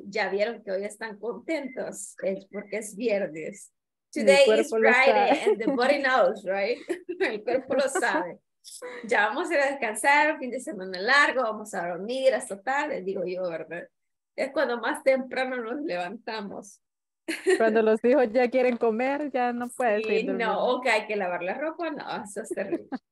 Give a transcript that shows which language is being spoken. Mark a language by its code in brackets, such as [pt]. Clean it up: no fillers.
[es] Ya vieron que hoy están contentos, es porque es viernes. [en] Today is Friday and the body knows, right? [es] El cuerpo lo sabe. Ya vamos a descansar, fin de semana largo, vamos a dormir hasta tarde, digo yo, ¿verdad? Es cuando más temprano nos levantamos. Cuando los hijos ya quieren comer, ya no puedes ir. Sí, no, o okay, que hay que lavar la ropa, no, eso es terrible.